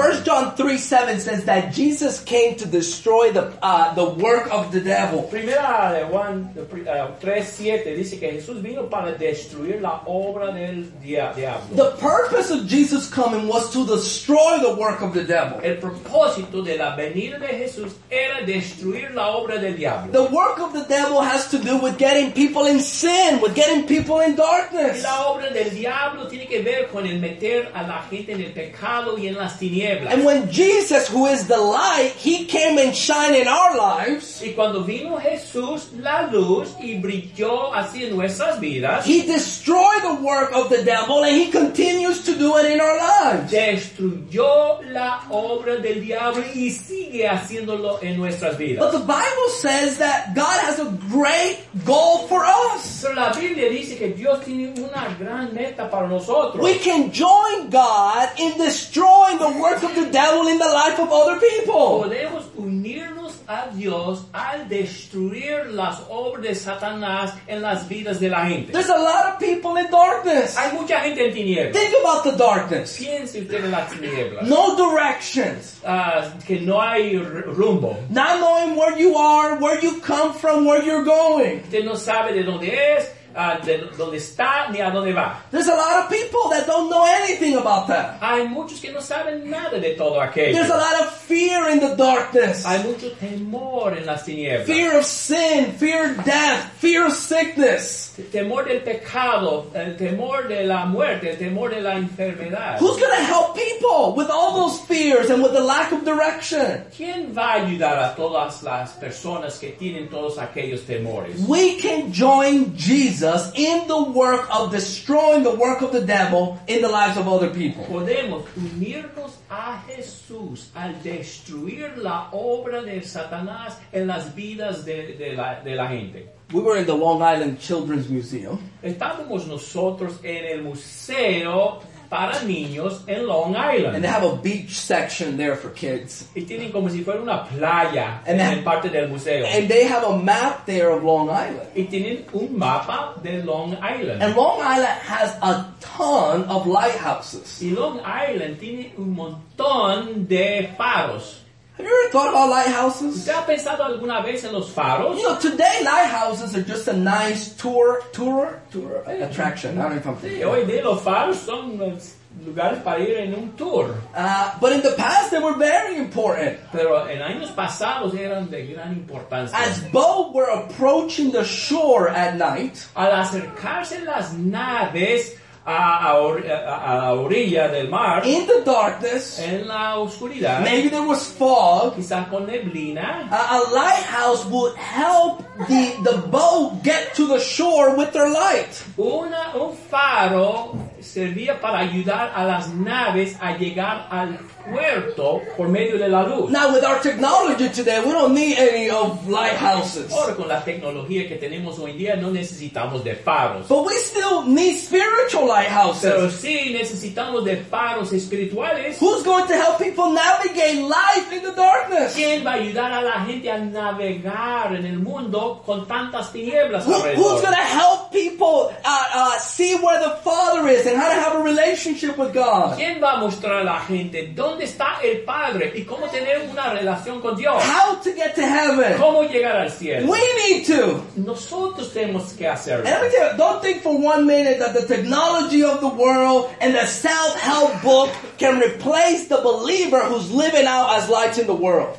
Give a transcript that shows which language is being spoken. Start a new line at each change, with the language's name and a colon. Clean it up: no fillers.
English: 1 John 3:7 says that Jesus came to destroy the work of the devil.
Spanish: Primera de Juan 3:7 dice que Jesús vino para destruir la obra del diablo.
English: The purpose of Jesus coming was to destroy the work of the devil.
Spanish: El propósito de la venida de Jesús era destruir la obra del diablo.
English: The work of the devil has to do with getting people in sin, with getting people in darkness.
Spanish: La obra del diablo tiene que ver con el meter a la gente en el pecado.
English: And when Jesus, who is the light, he came and shined in our lives.
Spanish: Y cuando vino Jesús, la luz, y brilló así en nuestras vidas.
English: He destroyed the work of the devil, and he continues to do it in our lives.
Spanish: Destruyó la obra del diablo y sigue haciéndolo en nuestras vidas.
English: But the Bible says that God has a great goal for us.
Spanish: Pero la Biblia dice que Dios tiene una gran meta para nosotros.
English: We can join God in destroying the work of the devil in the life of other people.
Spanish: Podemos unirnos a Dios al destruir las obras de Satanás en las vidas de la gente.
English: There's a lot of people in darkness.
Spanish: Hay mucha gente en tinieblas.
English: Think about the darkness.
Spanish: Piense usted en las tinieblas.
English: No directions.
Spanish: Que no hay rumbo.
English: Not knowing where you are, where you come from, where you're going.
Spanish: Usted no sabe de dónde es. De donde está, ni a donde va.
English: There's a lot of people that don't know anything about that.
Spanish: Hay muchos que no saben nada de todo aquello.
English: There's a lot of fear in the darkness.
Spanish: Hay mucho temor en las tinieblas.
English: Fear of sin, fear of death, fear of sickness.
Spanish: Temor del pecado, el temor de la muerte, el temor de la enfermedad.
English: Who's going to help people with all those fears and with the lack of direction?
Spanish: ¿Quién va a ayudar a todas las personas que tienen todos aquellos temores?
English: We can join Jesus in the work of destroying the work of the devil in the lives of other people.
Spanish: Podemos unirnos a Jesús al destruir la obra de Satanás en las vidas de la gente.
English: We were in the Long Island Children's Museum.
Spanish: Estábamos nosotros en el museo para niños en Long Island.
English: And they have a beach section there for kids.
Spanish: Y tienen como si fuera una playa en parte del museo.
English: And they have a map there of Long Island.
Spanish: Y tienen un mapa de Long Island.
English: And Long Island has a ton of lighthouses.
Spanish: Y Long Island tiene un montón de faros.
English: Have you ever thought about lighthouses?
Spanish: ¿Usted ha pensado alguna vez en los faros?
English: You know, today lighthouses are just a nice tour attraction. I don't know if I'm
Spanish: thinking. Hoy día los faros son lugares para ir en un tour.
English: But in the past, they were very important.
Spanish: Pero en años pasados eran de gran importancia.
English: As boats were approaching the shore at night,
Spanish: al acercarse las naves a la orilla del mar,
English: in the darkness,
Spanish: en la oscuridad,
English: maybe there was fog,
Spanish: quizás con neblina,
English: a lighthouse would help the boat get to the shore with their light.
Spanish: Un faro servía para ayudar a las naves a llegar al puerto por medio de la luz.
English: Now with our technology today, we don't need any of lighthouses.
Spanish: Ahora con la tecnología que tenemos hoy día, no necesitamos de faros.
English: But we still need spiritual lighthouses.
Spanish: Pero sí necesitamos de faros espirituales.
English: Who's going to help people navigate life in the darkness?
Spanish: ¿Quién va a ayudar a la gente a navegar en el mundo con tantas tinieblas alrededor?
English: Who's going to help people see where the Father is and how to have a relationship with God?
Spanish: ¿Quién va a mostrar a la gente dónde está el Padre y cómo tener una relación con Dios?
English: How to get to heaven?
Spanish: ¿Cómo llegar al cielo?
English: We need to.
Spanish: Nosotros tenemos que hacerlo.
English: And let me tell you, don't think for one minute that the technology of the world and the self-help book can replace the believer who's living out as lights in the world.